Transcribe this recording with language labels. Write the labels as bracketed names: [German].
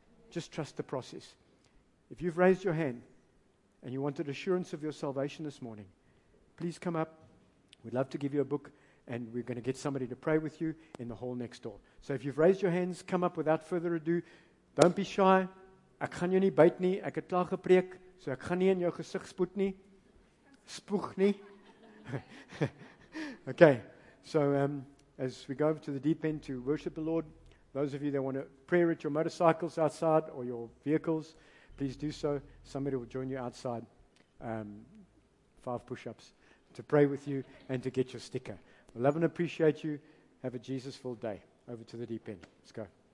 [English] Just trust the process. If you've raised your hand and you wanted assurance of your salvation this morning, please come up. We'd love to give you a book and we're going to get somebody to pray with you in the hall next door. So if you've raised your hands, come up without further ado. Don't be shy. [Afrikaans] Ek gaan jou nie byt nie. Ek het klaar gepreek, so ek gaan nie in jou gesig spoeg nie. Spoeg nie. [English] Okay, so as we go over to the deep end to worship the Lord, those of you that want to pray at your motorcycles outside or your vehicles, please do so. Somebody will join you outside, 5 push-ups, to pray with you and to get your sticker. We love and appreciate you. Have a Jesus-filled day. Over to the deep end. Let's go.